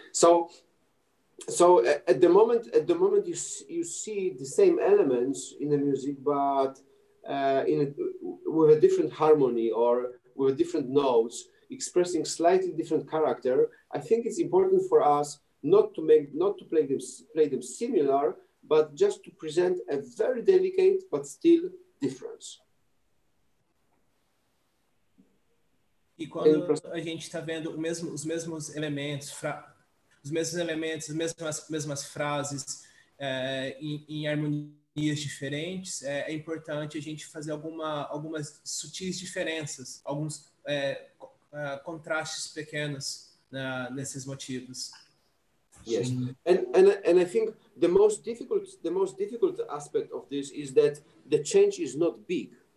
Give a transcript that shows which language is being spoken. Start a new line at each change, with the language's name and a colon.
English: So at the moment you see the same elements in the music, but with a different harmony or with different notes, expressing slightly different character. I think it's important for us not to play them similar, but just to present a very delicate but still difference.
Portuguese: E quando a gente está vendo as mesmas frases em harmonias diferentes, é importante a gente fazer algumas sutis diferenças, alguns contrastes pequenos nesses motivos.
English: Yes. And I think the most difficult aspect of this is that the change is not big.